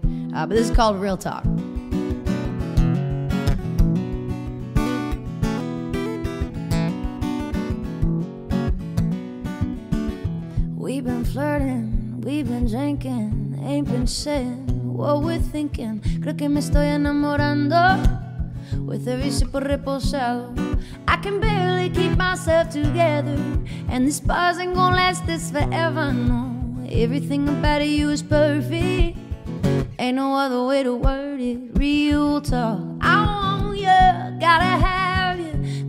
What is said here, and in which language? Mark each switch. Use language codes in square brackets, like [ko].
[en] But this is called Real Talk. We've been flirting, we've been drinking, ain't been saying what we're thinking. [es] Creo que me estoy enamorando [en] with every sip of [es] reposado. [en] I can barely keep myself together, and this buzz ain't gonna last this forever. No, everything about you is perfect. Ain't no other way to word it. Real talk. I want you, gotta have you.